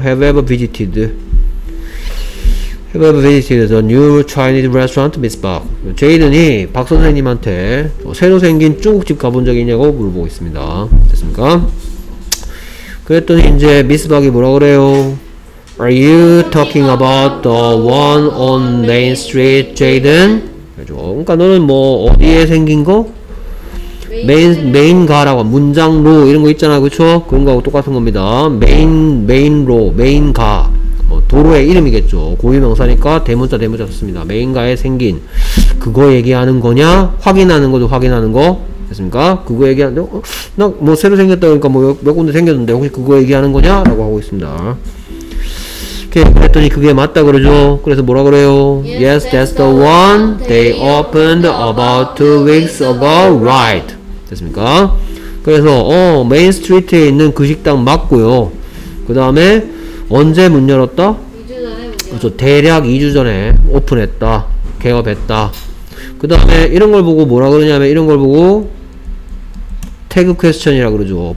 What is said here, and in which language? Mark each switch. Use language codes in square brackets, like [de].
[en] have you ever visited have you ever visited the new Chinese restaurant Miss Park. [ko] 제이든이 박 선생님한테 새로 생긴 중국집 가본 적 있냐고 물어보고 있습니다. 됐습니까? 그랬더니 이제 미스 박이 뭐라 그래요? [en] Are you talking about the one on Main Street, Jaden? [ko] 그러니까 너는 뭐 어디에 생긴 거? 메인가라고 문장로 이런 거 있잖아, 그렇죠? 그런 거하고 똑같은 겁니다. 메인로, 메인가, 뭐 도로의 이름이겠죠. 고유명사니까 대문자 썼습니다. 메인가에 생긴 그거 얘기하는 거냐? 확인하는 거죠, 확인하는 거. 됐습니까? 그거 얘기하는데 나 뭐 새로 생겼다 그러니까 뭐 몇 군데 생겼는데 혹시 그거 얘기하는 거냐? 라고 하고 있습니다. 오케이. 그랬더니 그게 맞다 그러죠. 그래서 뭐라 그래요? [en] Yes, that's the one they opened about 2 weeks ago, right? [ko] 됐습니까? 그래서 메인 스트리트에 있는 그 식당 맞고요. 그 다음에 언제 문 열었다? 2주 전에 문 열었다. 그래서 대략 2주 전에 오픈했다, 개업했다. 그 다음에 이런 걸 보고 뭐라 그러냐면, 이런 걸 보고 태그 퀘스천이라 그러죠.